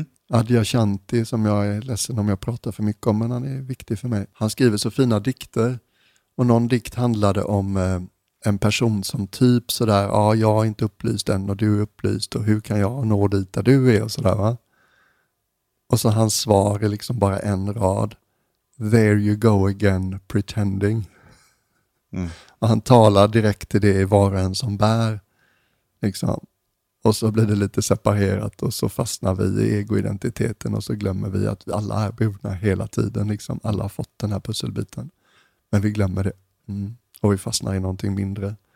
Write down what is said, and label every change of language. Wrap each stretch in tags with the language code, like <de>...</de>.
<sv>Adyashanti, som jag är ledsen om jag pratar för mycket om, men han är viktig för mig. Han skriver så fina dikter. Och någon dikt handlade om en person som typ sådär, ja, jag är inte upplyst än och du är upplyst och hur kan jag nå dit där du är och sådär, va? Och så hans svar är liksom bara en rad.</sv> <en>There you go again, pretending. Mm.</en> <sv>Och han talar direkt till det i var och en som bär. Liksom. Och så blir det lite separerat och så fastnar vi i egoidentiteten och så glömmer vi att vi alla är burna hela tiden. Liksom. Alla har fått den här pusselbiten. Men vi glömmer det. Mm. Och vi fastnar i någonting mindre.</sv>